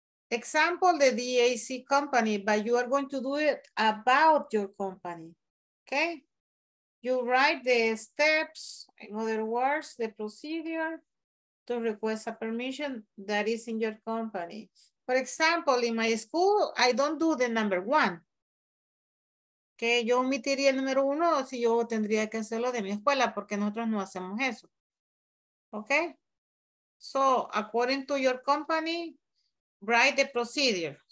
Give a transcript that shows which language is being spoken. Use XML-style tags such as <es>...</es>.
<en>Example, the DAC company, but you are going to do it about your company. Okay. You write the steps, in other words, the procedure to request a permission that is in your company. For example, in my school, I don't do the number one.</en> <es>Que yo omitiría el número uno si yo tendría que hacerlo de mi escuela, porque nosotros no hacemos eso.</es> <en>Okay? So, according to your company, write the procedure.</en>